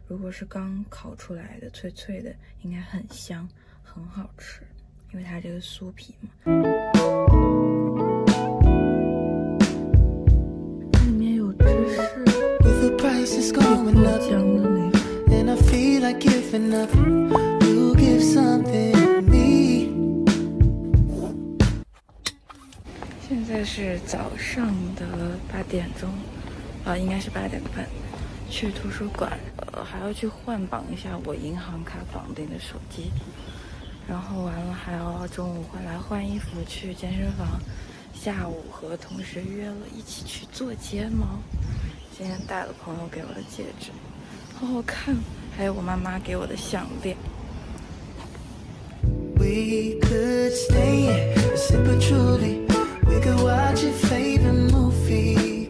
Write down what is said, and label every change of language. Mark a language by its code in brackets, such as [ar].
[zh] 是刚烤出来的，脆脆的，应该很香，很好吃，因为它这个酥皮嘛。它里面有芝士，有豆浆的那种。 [en] And I feel like giving up, you give something to me. [zh] 现在是早上的8点钟，应该是8点半，去图书馆。还要去换绑一下我银行卡绑定的手机，然后完了还要中午回来换衣服去健身房，下午和同事约了一起去做睫毛，今天带了朋友给我的戒指，好好看，还有我妈妈给我的项链。 [en] We could stay simple truly, we could watch your favorite movie,